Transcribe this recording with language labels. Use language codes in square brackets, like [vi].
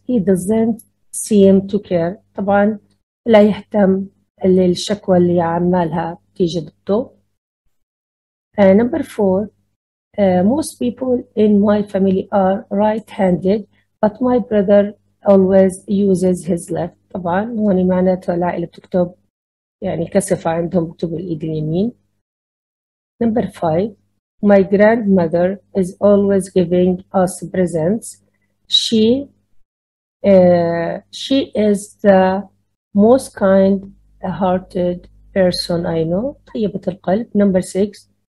[en] He doesn't seem to care. [ar] طبعا لا يهتم للشكوى اللي عمالها تيجي ضده. [en] Number 4, most people in my family are right-handed, but my brother always uses his left. [ar] طبعا هوني معناته العائلة بتكتب يعني كصفة عندهم بكتب الإيد اليمين. [en] Number 5. My grandmother is always giving us presents. She is the most kind hearted person I know. [ar] طيبة القلب. [en] Number 6.